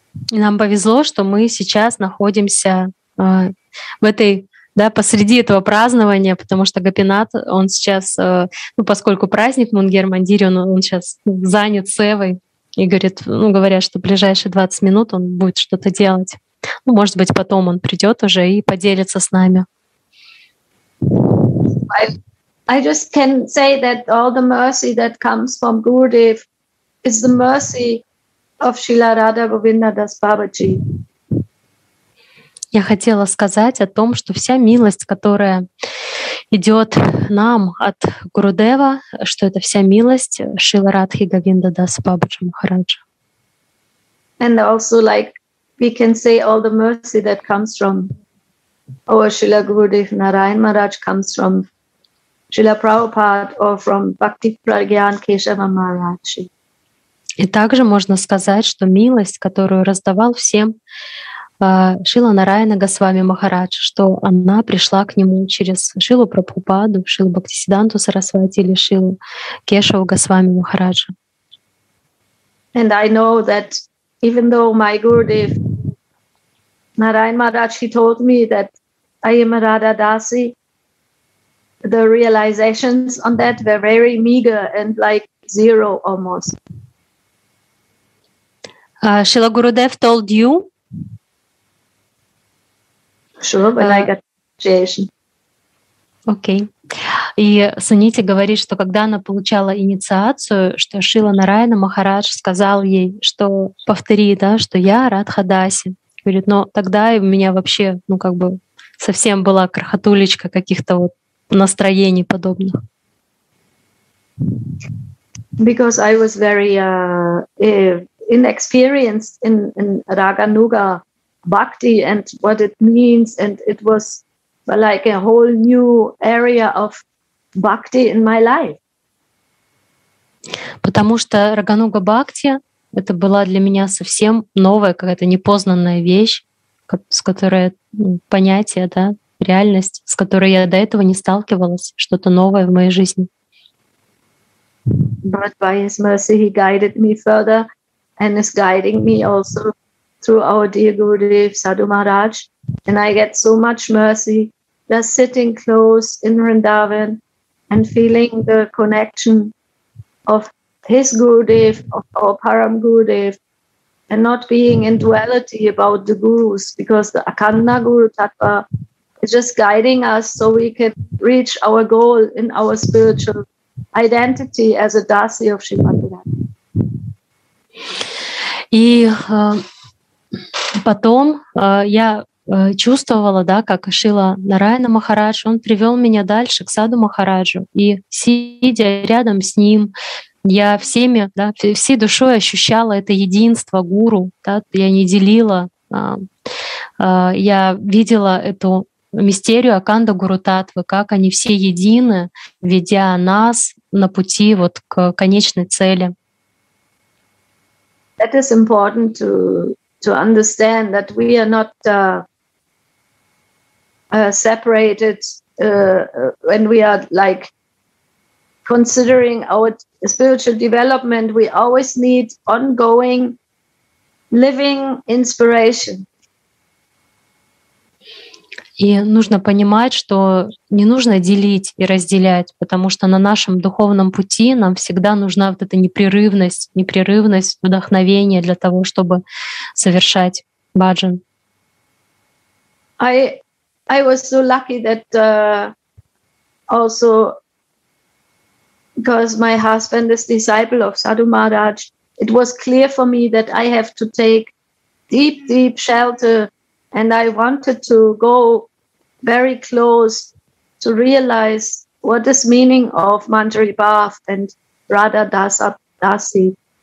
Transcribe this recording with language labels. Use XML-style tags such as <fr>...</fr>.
<ru>И нам повезло, что мы сейчас находимся в этой, да, посреди этого празднования, потому что Гопинат, он сейчас, ну, поскольку праздник Мунгер Мандири, он сейчас занят севой и говорит, ну, говорят, что в ближайшие 20 минут он будет что-то делать. Ну, может быть, потом он придет уже и поделится с нами.</ru> <en>I just can say that all the mercy that comes from Gurudev is the mercy of Srila Radha Govinda Das Babaji.</en> <ru>Я хотела сказать о том, что вся милость, которая идет нам от Гурудева, что это вся милость Шрила Радхи Говинда Дас Бабаджи Махараджа.</ru> <en>And also, like, we can say all the mercy that comes from our Srila Gurudev Narayan Maharaj comes from Srila Prabhupada or from Bhakti Pragyan Keshava Maharaj.</en> <ru>И также можно сказать, что милость, которую раздавал всем Шрила Нараяна Госвами Махарадж, что она пришла к нему через Шрилу Прабхупаду, Шрилу Бхактисиддханту Сарасвати или Шрилу Кешаву Госвами Махараджа.</ru> <en>And I know that even though my Gurudev Нараяна Махарадж, he told me that I am a Radha Dasi, the realizations on that were very meager and like zero almost. Шрила Гурудев told you. Sure, but I got Okay.</en> <ru>И Сунити говорит, что когда она получала инициацию, что Шрила Нараяна Махарадж сказал ей, что повтори, да, что я Радха Даси. Говорит, но тогда у меня вообще, ну как бы, совсем была крохотулечка каких-то вот настроений подобных.</ru> <en>Because I was very inexperienced in Raganuga Bhakti and what it means, and it was like a whole new area of Bhakti in my life.</en> <ru>Потому что Рагануга Бхакти это была для меня совсем новая какая-то непознанная вещь, с которой понятие, да, реальность, с которой я до этого не сталкивалась, что-то новое в моей жизни.</ru> <en>But by his mercy he guided me further and is guiding me also through our dear Gurudev Sadhu Maharaj. And I get so much mercy just sitting close in Vrindavan and feeling the connection of his Gurudev, of our Param Gurudev, and not being in duality about the gurus, because the Akanda Guru Tattva is just guiding us so we can reach our goal in our spiritual identity as a Dasi of Shimandana.</en> <ru>И потом я чувствовала, да, как Шрила Нараяна Махарадж, он привел меня дальше к Саду Махараджу. И сидя рядом с ним, я всеми, да, всей душой ощущала это единство гуру, да, я не делила, я видела эту мистерию Аканда Гуру Таттвы, как они все едины, ведя нас на пути вот к конечной цели.</ru> <en>That is important to understand that we are not separated when we are like considering our spiritual development. We always need ongoing living inspiration.</en> <ru>И нужно понимать, что не нужно делить и разделять, потому что на нашем духовном пути нам всегда нужна вот эта непрерывность, вдохновение для того, чтобы совершать баджан.</ru> <en>I was so lucky that also because my husband is disciple of Sadhu Maharaj, it was clear for me that I have to take deep, deep shelter, and I wanted to go very close to realize what is meaning of Manjari Bhav and Radha Dasa Dasi.</en>